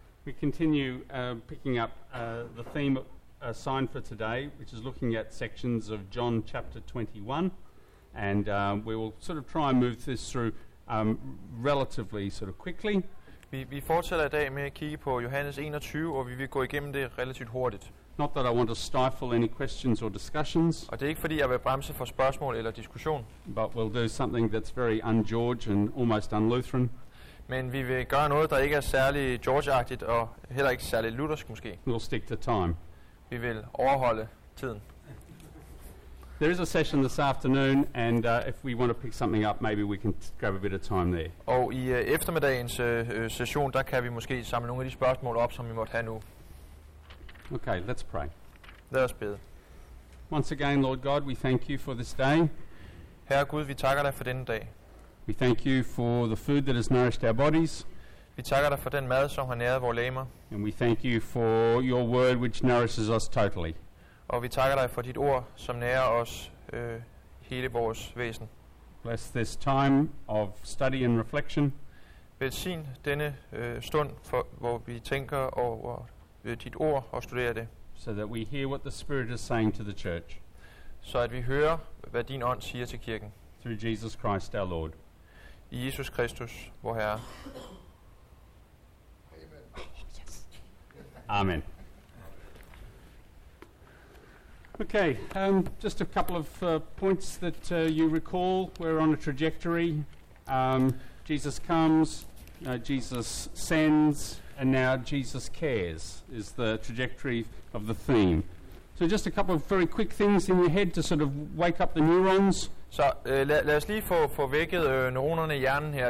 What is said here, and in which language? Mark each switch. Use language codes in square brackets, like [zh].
[en] We continue picking up the theme assigned for today, which is looking at sections of John chapter 21, and we will sort of try and move this through relatively sort of quickly. [da] Vi fortsætter i dag med at kigge på Johannes 21, og vi vil gå igennem det relativt hurtigt. [en] Not that I want to stifle any questions or discussions. [da] Og det er ikke fordi jeg vil bremse for spørgsmål eller diskussion. [en] But we'll do something that's very un-George and almost un-Lutheran. [da] Men vi vil gøre noget, der ikke er særlig George-agtigt og heller ikke særlig luthersk måske. [en] We'll stick to time. [da] Vi vil overholde tiden. [en] There is a session this afternoon, and if we want to pick something up, maybe we can grab a bit of time there. [da] Og i eftermiddagens session, der kan vi måske samle nogle af de spørgsmål op, som vi måtte have nu. [en] Okay, let's pray. [da] Lad os bede. [en] Once again, Lord God, we thank you for this day. [da] Herre Gud, vi takker dig for denne dag. [en] We thank you for the food that has nourished our bodies. [da] Vi takker dig for den mad, som har næret vores læmer. [en] And we thank you for your word, which nourishes us totally. [da] Og vi takker dig for dit ord, som nærer os hele vores væsen. [en] Bless this time of study and reflection. [da] Velsign denne stund, for, hvor vi tænker over dit ord og studerer det. [en] So that we hear what the Spirit is saying to the church. [da] Så at vi hører, hvad din ånd siger til kirken. [en] Through Jesus Christ, our Lord. [da] I Jesus Kristus, vor Herre. [en] Amen. Okay, just a couple of points that you recall. We're on a trajectory. Jesus comes, Jesus sends, and now Jesus cares is the trajectory of the theme. So just a couple of very quick things in your head to sort of wake up the neurons. [da] Så lad os lige få vækket neuronerne i hjernen her.